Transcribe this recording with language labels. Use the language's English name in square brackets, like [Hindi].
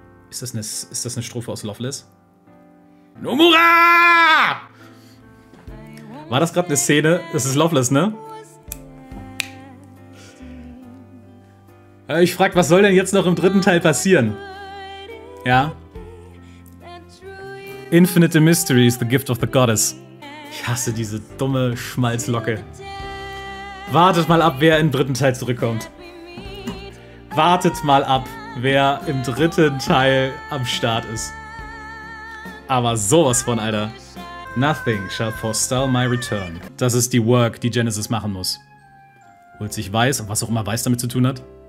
[German] Ist das eine Strophe aus Loveless? Nomura! War das gerade eine Szene? Das ist Loveless, ne? Ich frag, was soll denn jetzt noch im dritten Teil passieren? Ja? [English] Infinite Mystery is the gift of the goddess. [German] Ich hasse diese dumme Schmalzlocke. Wartet mal ab, wer im dritten Teil zurückkommt. Wartet mal ab, wer im dritten Teil am Start ist. Aber sowas von, Alter. [English] Nothing shall forestall my return. [German] Das ist die Work, die Genesis machen muss. Holt sich Weiß, was auch immer Weiß damit zu tun hat.